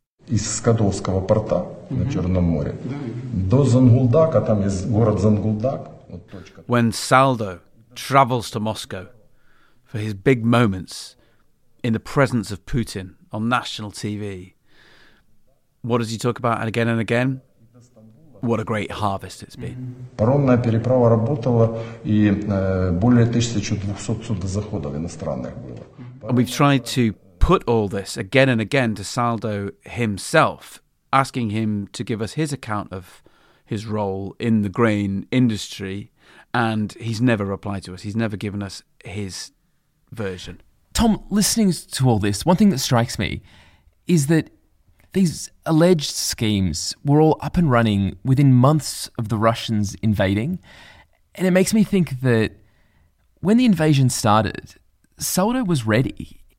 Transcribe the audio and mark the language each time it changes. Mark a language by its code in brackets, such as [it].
[uk] Из Скадовского порта на Чорному морі до Зангулдака, там є город Зангулдак. [en] When Saldo travels to Moscow for his big moments in the presence of Putin on national TV, what does he talk about again and again? What a great harvest it's been. [uk] Паромна переправа работала і більше 1200 суден заходів іноземних було. [en] And we've tried to put all this again and again to Saldo himself, asking him to give us his account of his role in the grain industry, and he's never replied to us. He's never given us his version. Tom, listening to all this, one thing that strikes me is that these alleged schemes were all up and running within months of the Russians invading, and it makes me think that when the invasion started, Saldo was ready.